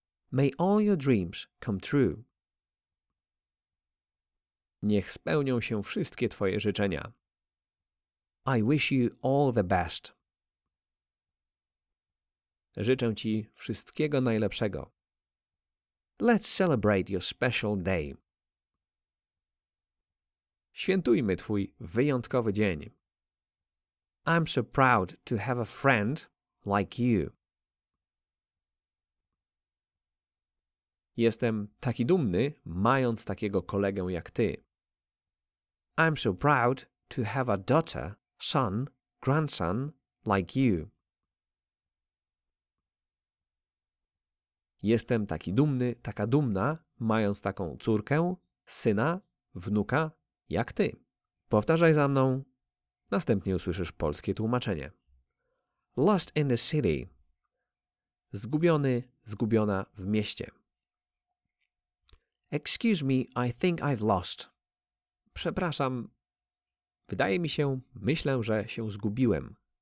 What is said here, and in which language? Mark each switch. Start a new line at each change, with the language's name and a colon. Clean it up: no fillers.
English: May all your dreams come true.
Polish: Niech spełnią się wszystkie Twoje życzenia.
English: I wish you all the best.
Polish: Życzę Ci wszystkiego najlepszego.
English: Let's celebrate your special day.
Polish: Świętujmy Twój wyjątkowy dzień.
English: I'm so proud to have a friend like you.
Polish: Jestem taki dumny, mając takiego kolegę jak ty.
English: I'm so proud to have a daughter, son, grandson like you.
Polish: Jestem taki dumny, taka dumna, mając taką córkę, syna, wnuka jak ty. Powtarzaj za mną. Następnie usłyszysz polskie tłumaczenie.
English: Lost in the city.
Polish: Zgubiony, zgubiona w mieście.
English: Excuse me, I think I've lost.
Polish: Przepraszam. Wydaje mi się, myślę, że się zgubiłem.